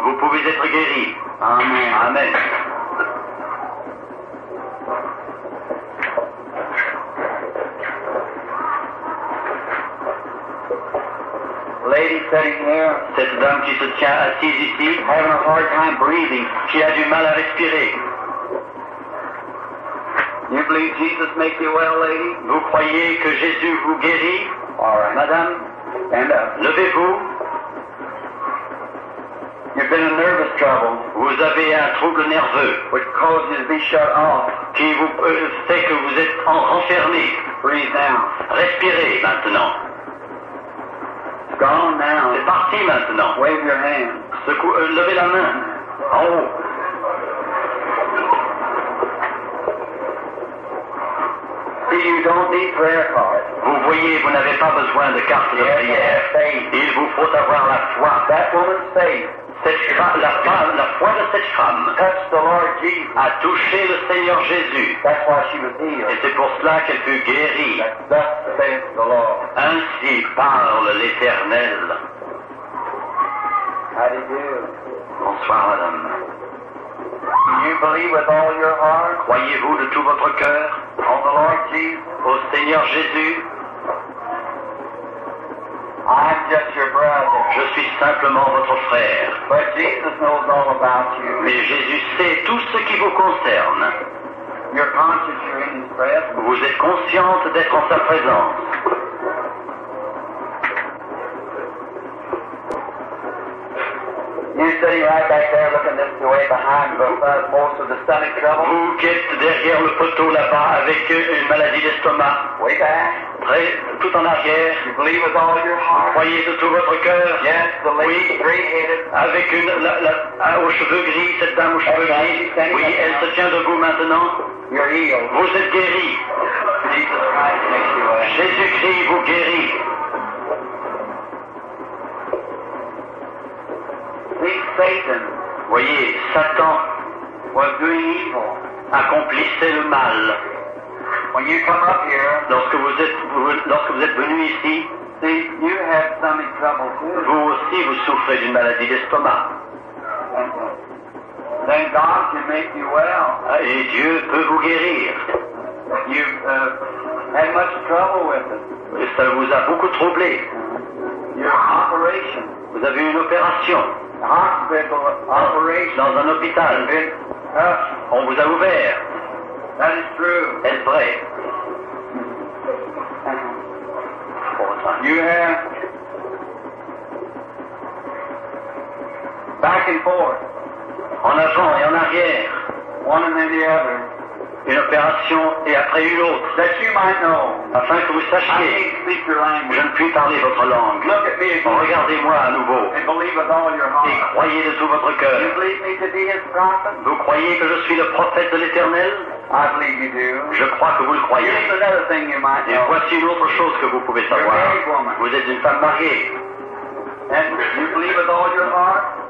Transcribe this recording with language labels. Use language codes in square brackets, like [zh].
[fr] Vous pouvez être guéri. Amen. Amen. [en] Lady sitting here, [fr] cette dame qui se tient assise ici, [en] having a hard time breathing, [fr] qui a du mal à respirer. [en] You believe Jesus makes you well, lady? [fr] Vous croyez que Jésus vous guérit? [en] All right, madame, stand up. [fr] Levez-vous. [en] You've been a nervous trouble. [fr] Vous avez un trouble nerveux. [en] Which causes you to be shut off. [fr] Qui vous fait que vous êtes enfermé. [en] Breathe now. [fr] Respirez maintenant. [en] Gone now. [fr] C'est parti maintenant. [en] Wave your hand. [fr] Levez la main. En haut. [en] You don't need prayer cards. [fr] Vous voyez, vous n'avez pas besoin de carte de prière. Il vous faut avoir la foi. [en] That woman's faith. [fr] La foi de cette femme [en] touched the Lord Jesus. [fr] A touché le Seigneur Jésus. [en] That's why she was healed. [fr] Et c'est pour cela qu'elle fut guérie. [en] That's thus saith the Lord. [fr] Ainsi parle l'Éternel. [en] How do you do? [fr] Bonsoir, madame. [en] Do you believe with all your heart? [fr] Croyez-vous de tout votre cœur? [en] On the Lord Jesus. [fr] Au Seigneur Jésus. [en] I'm just your brother. [fr] Je suis simplement votre frère. [en] But Jesus knows all about you. [fr] Mais Jésus sait tout ce qui vous concerne. [en] You're conscious you're in his presence. [fr] Vous êtes consciente d'être en sa présence. [en] You're sitting right back there looking this way behind most of the stomach trouble. [fr] Vous qui êtes derrière le poteau là-bas avec une maladie d'estomac. [en] Way back. [fr] Très, tout en arrière. [en] You believe with all your heart. [fr] Vous croyez de tout votre cœur. [en] Yes, the lady, [fr] oui. [en] Gray-headed. [fr] Avec une, aux cheveux gris, cette dame aux cheveux [en] that's [fr] gris. [en] Right, [fr] oui, elle se tient debout maintenant. [en] You're healed. [fr] Vous êtes guéri. Jésus-Christ vous guérit. Satan, voyez, Satan [en] was doing evil. [fr] Accomplissait le mal. [en] When you come up here, [fr] lorsque vous êtes venu ici, [en] see, you have stomach trouble too. [fr] Vous aussi vous souffrez d'une maladie d'estomac. [en] Then God can make you well. [fr] Et Dieu peut vous guérir. [en] You've had much trouble with it. [fr] Et ça vous a beaucoup troublé. [en] Your operation. [fr] Vous avez une opération. [en] Hospital operation. [fr] Dans un hôpital. On vous a ouvert. [en] That is true. [fr] Est-ce vrai? [en] You have back and forth. [fr] En avant et en arrière. [en] One and then the other. [fr] Une opération et après une autre. [en] That you might know. [fr] Afin que vous sachiez. [en] I can't speak your language. [fr] Je ne puis parler votre langue. [en] Look at me again. [fr] Regardez-moi à nouveau. [en] And believe with all your heart. [fr] Et croyez de tout votre cœur. [en] You believe me to be his prophet? [fr] Vous croyez que je suis le prophète de l'Éternel? [en] I believe you do. [fr] Je crois que vous le croyez. [en] Here's another thing you might know. [fr] Et voici une autre chose que vous pouvez savoir. [en] You're a married woman. [fr] Vous êtes une femme mariée. [en] And you believe with all your heart?